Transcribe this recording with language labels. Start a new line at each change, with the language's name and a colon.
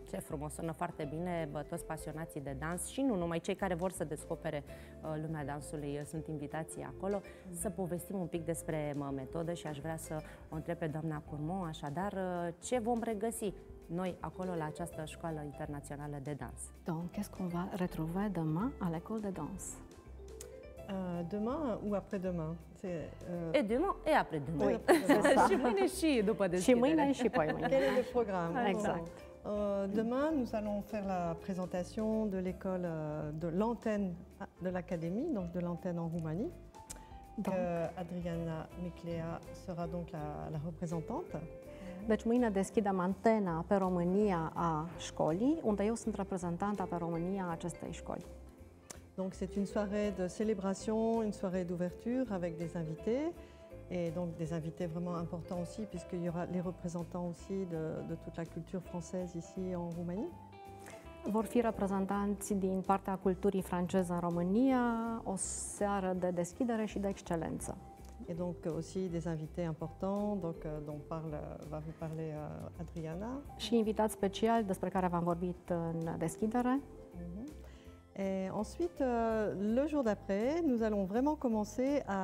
Romanian: Ce frumos, sună foarte bine, toți pasionații de dans și nu numai, cei care vor să descopere lumea dansului sunt invitații acolo. Să povestim un pic despre metodă și aș vrea să o întreb pe doamna Curmont, așadar, ce vom regăsi noi acolo la această școală internațională de dans?
French: Donc, qu'est-ce qu'on va retrouver demain à l'école de danse? Demain ou après-demain? Et demain et après-demain. Oui. Après-demain.
Romanian: Și mâine și după deschidere. Și mâine și poi mâine.
French: Quel est le programme? Exact. Demain, nous allons faire la présentation de l'école, de l'antenne de l'académie, donc de l'antenne en Roumanie. Donc. Adriana Miclea sera donc la représentante.
Romanian: Deci mâine deschidem antena pe România a școlii, unde eu sunt reprezentanta pe România a acestei școli.
French: Donc c'est une soirée de célébration, une soirée d'ouverture avec des invités et donc des invités vraiment importants aussi puisque il y aura les représentants aussi de toute la culture française ici en Roumanie.
Romanian: Vor fi reprezentanți din partea culturii franceze în România, o seară de deschidere și de excelență.
French: Et donc aussi des invités importants, donc dont parle va vous parler Adriana.
Romanian: Și invitat special despre care v-am vorbit în deschidere. Mm-hmm.
French: Et ensuite le jour d'après, nous allons vraiment commencer